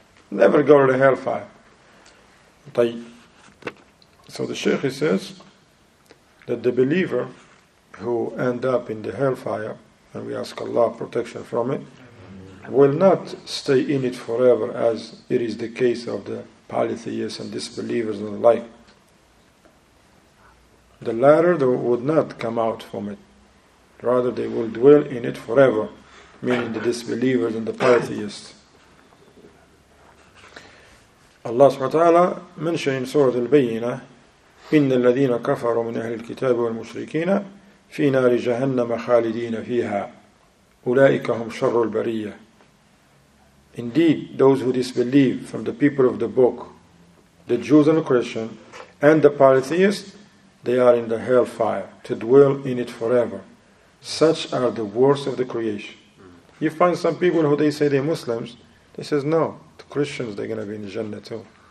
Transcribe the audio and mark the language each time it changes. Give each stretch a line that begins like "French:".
English: Never go to the hellfire. So the Shaykh says that the believer who end up in the hellfire, and we ask Allah protection from it, will not stay in it forever as it is the case of the polytheists and disbelievers and the like. The latter would not come out from it. Rather, they will dwell in it forever, meaning the disbelievers and the polytheists. Allah subhanahu wa ta'ala mentioned in Surah Al-Bayyinah,
Arabic: إن الذين كفروا من أهل الكتاب والمشركين في نار جهنم خالدين فيها أولئك هم شر البرية.
English: Indeed, those who disbelieve from the people of the book, the Jews and the Christians, and the polytheists, they are in the hellfire to dwell in it forever. Such are the worst of the creation. You find some people who they say they're Muslims, they says no, the Christians, they're going to be in Jannah too.